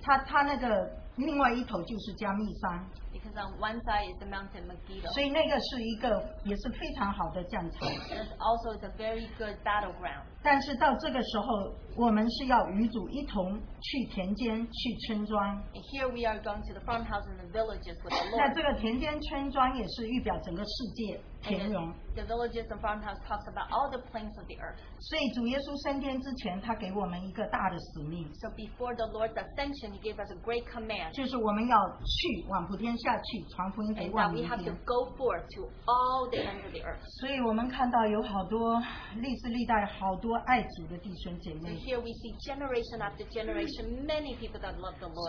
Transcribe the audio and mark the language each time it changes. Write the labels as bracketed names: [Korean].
[Chinese] 它那个另外一头就是加密山。 [English] Because on one side is the mountain Megiddo. [Chinese] 所以那个是一个也是非常好的战场。 [English] It's also a very good battleground. [Chinese] 但是到这个时候，我们是要与主一同去田间、去村庄。 [English] Here we are going to the farmhouse and the villages with the Lord. [Chinese] 那这个田间、村庄也是预表整个世界田园。 [English] The villages and farmhouse talks about all the plains of the earth. [Chinese] 所以主耶稣升天之前，他给我们一个大的使命。 [English] So before the Lord's ascension, He gave us a great command. [Chinese] 就是我们要去往普天下去，传福音给万民。 [English] And that we have to go forth to all the ends of the earth. [Chinese] 所以我们看到有好多历史历代好多爱主的弟兄姐妹。 [English] So here we see generation after generation, many people that love the Lord.